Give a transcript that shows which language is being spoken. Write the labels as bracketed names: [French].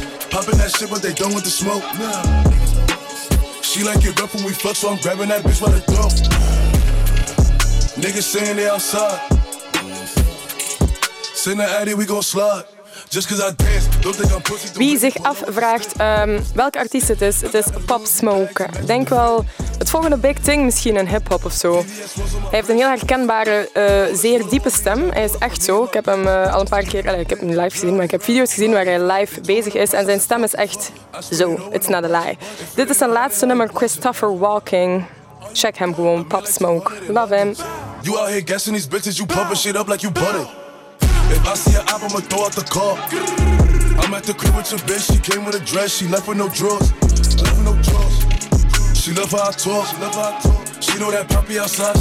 [English] Popping that shit, but they done with the smoke. She like it rough when we fuck, so I'm grabbing that bitch by the throat. Niggas saying they outside. Send the attic, we gon' slide. Just cause I dance, don't think I'm pussy. [Dutch] Wie zich afvraagt welke artiest het is. Het is Pop Smoke. Denk wel het volgende big thing, misschien een hip-hop of zo. Hij heeft een heel herkenbare, zeer diepe stem. Hij is echt zo. Ik heb hem al een paar keer. Ik heb hem live gezien, maar ik heb video's gezien waar hij live bezig is. En zijn stem is echt zo. [English] It's not a lie. [Dutch] Dit is zijn laatste nummer, Christopher Walking. Check hem gewoon, Pop Smoke. [English] Love him. You out here guessing these bitches, you pumping shit up like you butter. If I see an op, I'ma throw out the car. I'm at the crib with your bitch. She came with a dress. She left with no drawers. Left with no drawers. She love how I talk. She love how I talk. She know that poppy outside.